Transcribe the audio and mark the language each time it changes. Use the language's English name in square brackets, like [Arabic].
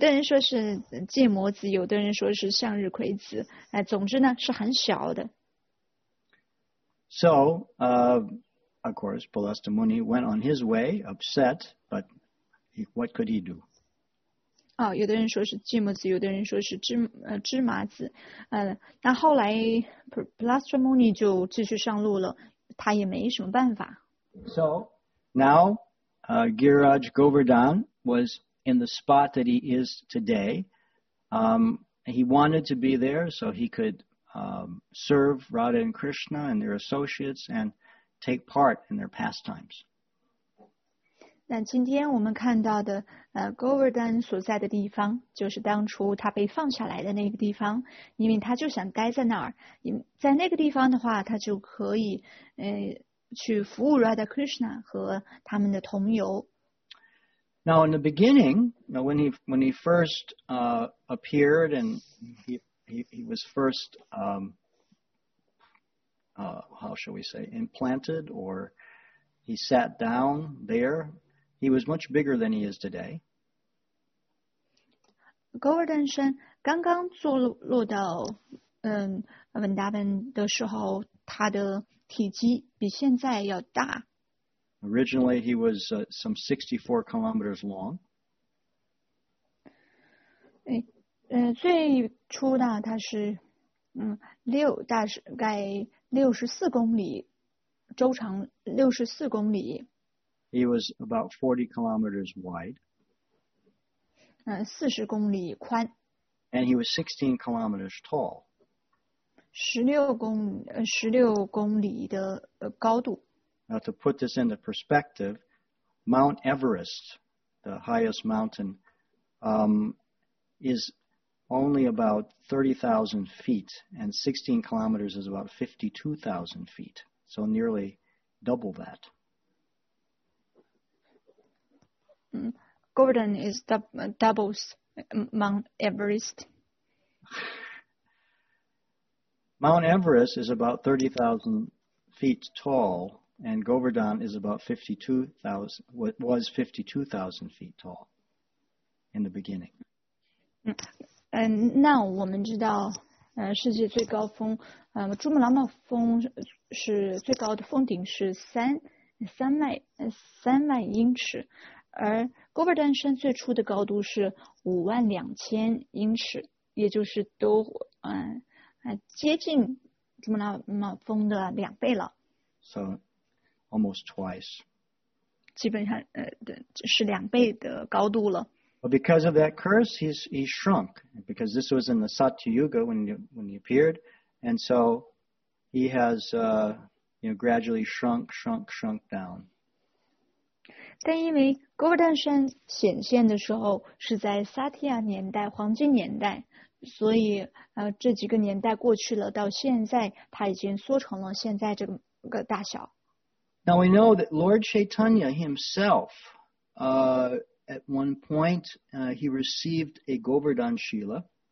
[Chinese] 有的人说是芥末籽，有的人说是向日葵籽，哎，总之呢是很小的。 [English] So, of course, Balasta Muni went on his way, upset, but what could he do? [Chinese] 哦，有的人说是芥末籽，有的人说是芝麻籽，那后来 Balasta Muni 就继续上路了，他也没什么办法。 [English] So, now, Giriraj Govardhan was in the spot that he is today. He wanted to be there so he could serve Radha and Krishna and their associates and take part in their pastimes. [Chinese] 那今天我们看到的Govardhan 所在的地方就是当初他被放下来的那个地方，因为他就想待在那儿，在那个地方的话他就可以去服务 Radha Krishna 和他们的同游。 [English] Now in the beginning, when he first appeared and he was first, how shall we say, implanted or he sat down there, he was much bigger than he is today. [Chinese] Govardhan 先刚刚坐落到Vrindavan 的时候，他的体积比现在要大。 [English] Originally, he was some 64 kilometers long. [Chinese] 最初呢，他是大概64公里，周长64公里。 [English] He was about 40 kilometers wide. [Chinese] 40公里宽。 [English] And he was 16 kilometers tall. [Chinese] 16公里的高度。 [English] Now, to put this into perspective, Mount Everest, the highest mountain, is only about 30,000 feet, and 16 kilometers is about 52,000 feet, so nearly double that. Gordon is doubles Mount Everest. Mount Everest is about 30,000 feet tall. And Govardhan is about 52,000, was 52,000 feet tall in the beginning. [Chinese] 那我们知道，世界最高峰，珠穆朗玛峰是最高的峰顶是三万英尺，而 Govardhan 山最初的高度是52,000英尺，也就是都接近珠穆朗玛峰的两倍了。 [English] So. Almost twice. [Chinese] 基本上是两倍的高度了。 [English] But because of that curse, he shrunk. Because this was in the Satyuga when he appeared. And so he has gradually shrunk down. [Chinese] 但因为 Govardhan 显现的时候是在 Satya 年代黄金年代，所以这几个年代过去了，到现在他已经缩成了现在这个大小。 [English] Now we know that Lord Chaitanya himself, at one point, he received a Govardhan Shila.